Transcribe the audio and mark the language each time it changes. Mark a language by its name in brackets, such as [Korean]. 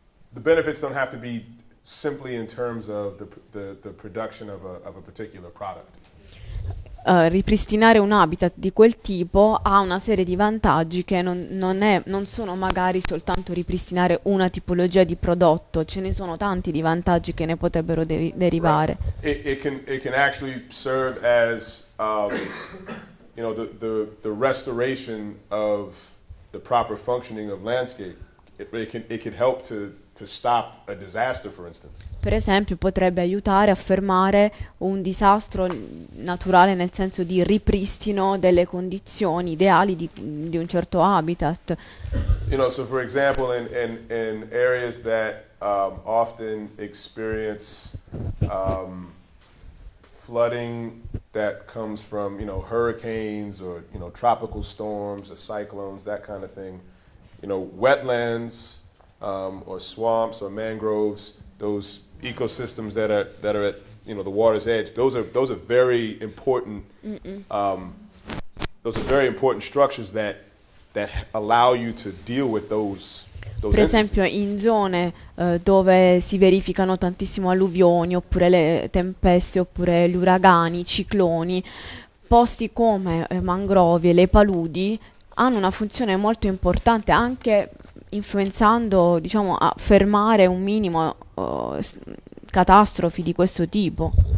[English] The benefits don't have to be simply in terms of the production of a particular product. [Italian] Ripristinare un habitat di quel tipo ha una serie di vantaggi che non sono magari soltanto ripristinare una tipologia di prodotto, ce ne sono tanti di vantaggi che ne potrebbero derivare. [English] Right. It can actually serve as you know, the restoration of the proper functioning of landscape. It can help to stop a disaster, for instance. [Italian] Per esempio, potrebbe aiutare a fermare un disastro naturale nel senso di ripristino delle condizioni ideali di un certo habitat. [English] You know, so for example, in areas that often experience flooding that comes from, you know, hurricanes or, you know, tropical storms or cyclones, that kind of thing. You know, wetlands, or swamps, or mangroves, those ecosystems that are at, you know, the water's edge, those are very important. Those are very important structures that allow you to deal with those. [Italian] Per esempio, in zone dove si verificano tantissimo alluvioni, oppure le tempeste, oppure gli uragani, i cicloni, posti come mangrovie, le paludi, hanno una funzione molto importante, anche influenzando, diciamo, a fermare un minimo catastrofi di questo tipo.